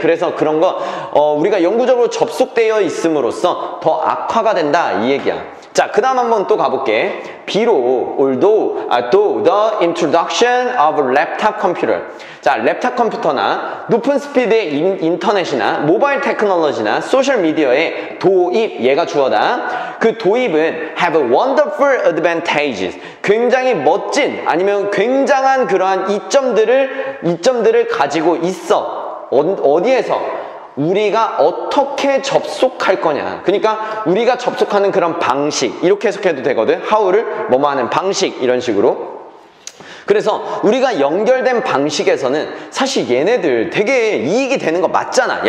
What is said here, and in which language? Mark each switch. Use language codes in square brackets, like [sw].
[ko] 그래서 그런 거 우리가 영구적으로 접속되어 있음으로써 더 악화가 된다 이 얘기야. 자, 그 다음 한번 또 가볼게. 비록 [en] the introduction of laptop computer. [ko] 자, 랩탑 컴퓨터나 높은 스피드의 인터넷이나 모바일 테크놀로지나 소셜미디어의 도입, 얘가 주어다. 그 도입은 [en] have a wonderful advantages. [ko] 굉장히 멋진 아니면 굉장한 그러한 이점들을 가지고 있어. 어디에서? 우리가 어떻게 접속할 거냐. 그러니까 우리가 접속하는 그런 방식 이렇게 해석해도 되거든. How를 뭐뭐 하는 방식 이런 식으로. 그래서 우리가 연결된 방식에서는 사실 얘네들 되게 이익이 되는 거 맞잖아.